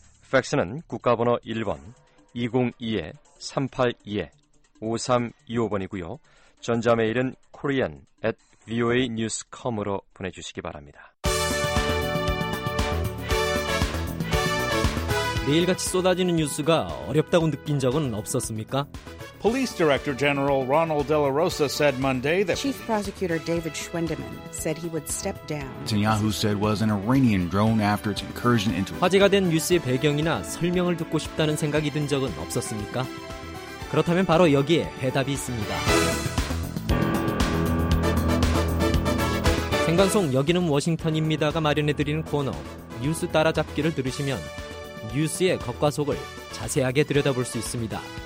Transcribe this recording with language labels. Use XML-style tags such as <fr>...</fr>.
<ko>팩스는 국가번호 1번 202-382-5325번이고요. 전자메일은 korean@voanews.com으로 보내주시기 바랍니다. 매일같이 쏟아지는 뉴스가 어렵다고 느낀 적은 없었습니까?</ko> <en>Police Director General Ronald De La Rosa said Monday that Chief Prosecutor David Schwendeman said he would step down. Netanyahu said was an Iranian drone after its incursion into</en> <ko>화제가 된 뉴스의 배경이나 설명을 듣고 싶다는 생각이 든 적은 없었습니까? 그렇다면 바로 여기에 해답이 있습니다. 생방송 여기는 워싱턴입니다가 마련해드리는 코너 뉴스 따라잡기를 들으시면 뉴스의 겉과 속을 자세하게 들여다볼 수 있습니다.</ko>